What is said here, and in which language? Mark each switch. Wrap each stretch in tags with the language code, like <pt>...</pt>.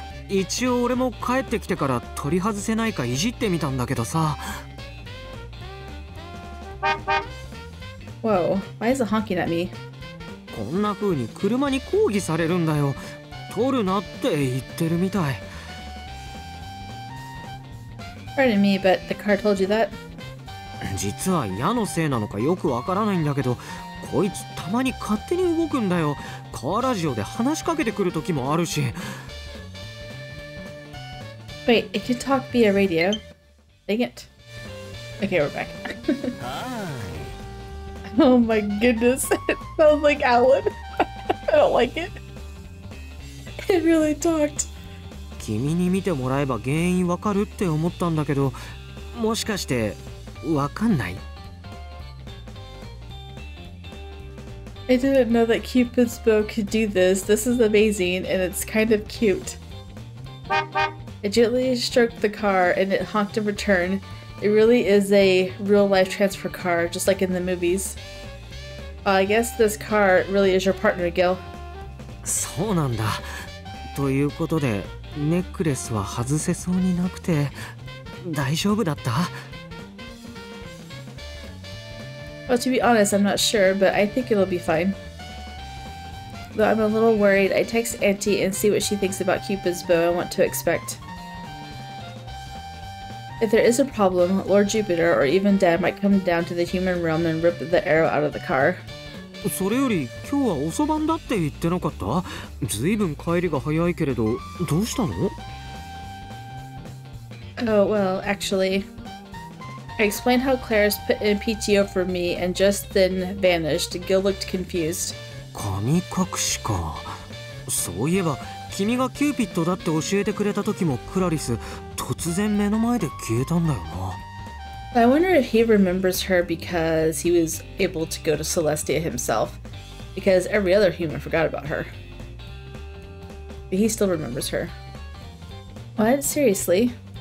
<ja>一応俺も帰ってきてから取り外せないかいじってみたんだけどさ。</ja> <en>Whoa, why is it honking at me?</en> <ja>こんな風に車に抗議されるんだよ。取るなって言ってるみたい。</ja> <en>Pardon me, but the car told you that?</en> <ja>実は矢のせいなのかよくわからないんだけど、こいつたまに勝手に動くんだよ。カーラジオで話しかけてくる時もあるし。</ja> <en>Wait, it can talk via radio. Dang it. Okay, we're back. Hi. Oh my goodness, it sounds like Alan. I don't like it. It really talked.</en> <ja>君に見てもらえば原因わかるって思ったんだけど、もしかしてわかんない。</ja> <en>I didn't know that Cupid's bow could do this. This is amazing, and it's kind of cute. It gently stroked the car, and it honked in return. It really is a real-life transfer car, just like in the movies. I guess this car really is your partner, Gil.</en> <ja>そうなんだ。ということで、ネックレスは外せそうになくて、大丈夫だった？</ja> <en>Well, to be honest, I'm not sure, but I think it'll be fine. Though I'm a little worried, I text Auntie and see what she thinks about Cupid's bow and what to expect. If there is a problem, Lord Jupiter or even Dad might come down to the human realm and rip the arrow out of the car.</en> <ja>それより今日は遅番だって言ってなかった？ずいぶん帰りが早いけれど、どうしたの？</ja> <en>Oh, well, actually... I explained how Claris put in PTO for me and just then vanished. Gil looked confused.</en> <ja>神隠しか。そういえば、君がキューピッドだって教えてくれた時もクラリス、突然目の前で消えたんだよな。</ja> <en>I wonder if he remembers her because he was able to go to Celestia himself. Because every other human forgot about her. But he still remembers her. What? Seriously?</en>